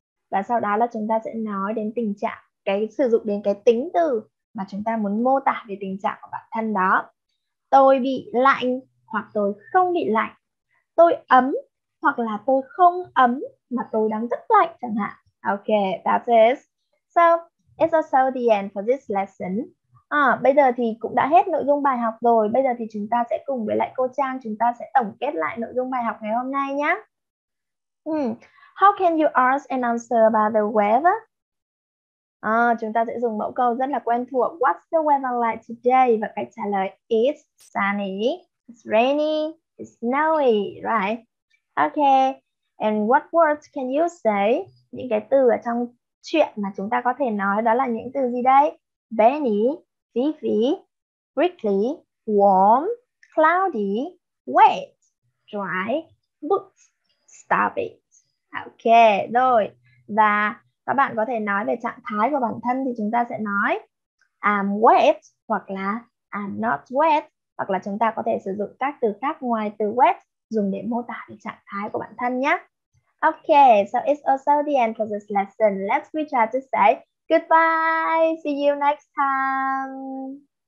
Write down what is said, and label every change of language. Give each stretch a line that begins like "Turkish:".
Vietnamese: Và sau đó là chúng ta sẽ nói đến tình trạng, cái sử dụng đến cái tính từ mà chúng ta muốn mô tả về tình trạng của bản thân đó. Tôi bị lạnh hoặc tôi không bị lạnh. Tôi ấm hoặc là tôi không ấm mà tôi đang rất lạnh chẳng hạn.
English: Ok, that's it. So, it's also the end for this lesson.
Vietnamese: À, bây giờ thì cũng đã hết nội dung bài học rồi. Bây giờ thì chúng ta sẽ cùng với lại cô Trang, chúng ta sẽ tổng kết lại nội dung bài học ngày hôm nay nhé.
English: How can you ask and answer about the weather?
Vietnamese: À, chúng ta sẽ dùng mẫu câu rất là quen thuộc.
English: What's the weather like today?
Vietnamese: Và cách trả lời
English: it's sunny, it's rainy, it's snowy, right? Okay. And what words can you say?
Vietnamese: Những cái từ ở trong chuyện mà chúng ta có thể nói đó là những từ gì đây?
English: Benny, Vivi, Prickly, Warm, Cloudy, Wet, Dry, Boots, Stop it. Ok,
Vietnamese: rồi. Và các bạn có thể nói về trạng thái của bản thân thì chúng ta sẽ nói
English: I'm wet
Vietnamese: hoặc là
English: I'm not wet,
Vietnamese: hoặc là chúng ta có thể sử dụng các từ khác ngoài từ wet dùng để mô tả trạng thái của bản thân nhé.
English: Okay, so it's also the end for this lesson. Let's reach out to say goodbye. See you next time.